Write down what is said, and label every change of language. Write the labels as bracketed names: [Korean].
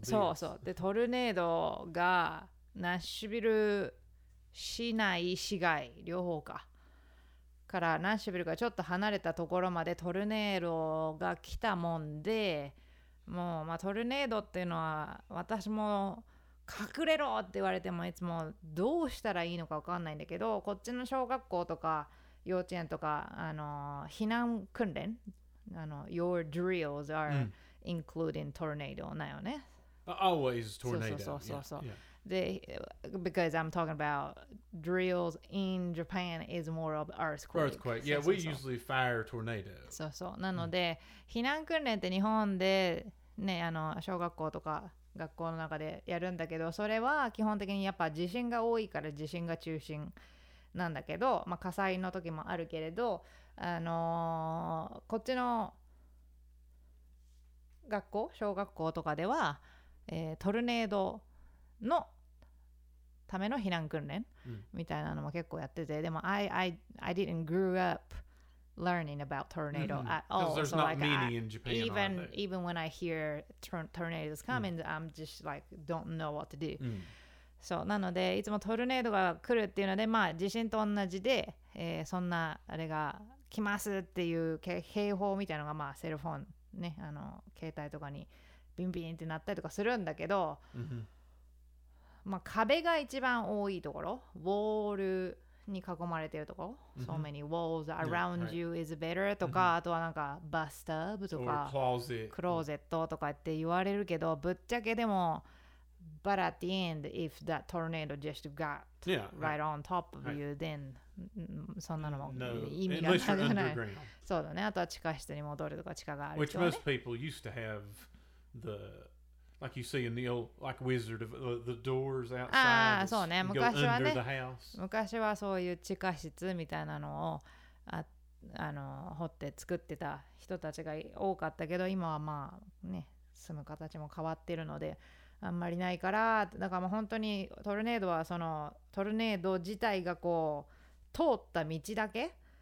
[Japanese] そうそうでトルネードがナッシュビル市内市外両方かからナッシュビルがちょっと離れたところまでトルネードが来たもんでもう、まあ、トルネードっていうのは私も隠れろって言われてもいつもどうしたらいいのか分かんないんだけどこっちの小学校とか幼稚園とか避難訓練 [English] Your drills are、 [Japanese] mm. [English] including tornado, [Japanese] なよね? [English] Always tornado. [Japanese] そうそうそう [English] yeah. They, because I'm talking about drills in Japan is more of earthquake. Earthquake. Yeah, [Japanese] そうそうそう. [English] we usually fire tornado. [Japanese] そうそう。なので、避難訓練って日本で、ね、小学校とか学校の中でやるんだけど、それは基本的にやっぱ地震が多いから地震が中心なんだけど、まあ、火災の時もあるけれど、こっちの学校小学校とかでは、トルネードのための避難訓練みたいなのも結構やってて、うん、でも [English] I didn't grow up learning about tornado、mm-hmm. at all because there's、 so、 not like, meaning in Japan even, even when I hear tornadoes coming、mm. I'm just like don't know what to do、 mm. [Japanese] そうなのでいつもトルネードが来るっていうので、まあ、地震と同じで、そんなあれが来ますっていう警報みたいなのが、まあ、セルフォンね携帯とかにビンビンってなったりとかするんだけど、 mm-hmm. まあ壁が一番多いところウォールに囲まれてるところ、mm-hmm. [English] So many walls around you is better とか、mm-hmm. [Japanese] あとはなんかバスタブとか、 [English] Or closet. [Japanese] クローゼットとかって言われるけどぶっちゃけでも [English] But at the end, if that tornado just got yeah, right, right on top of you, right. then [Japanese] そんなのも、 [English] no. [Japanese] 意味がないじゃない。そうだね。あとは地下室に戻るとか地下があるとね。 [English] Which most people used to have the like you see in the old like Wizard of the doors outside. [Japanese] ああ、そうね。昔はね。昔はそういう地下室みたいなのを掘って作ってた人たちが多かったけど、今はまあね住む形も変わってるので。あんまりないからだからもう本当にトルネードはそのトルネード自体がこう通った道だけ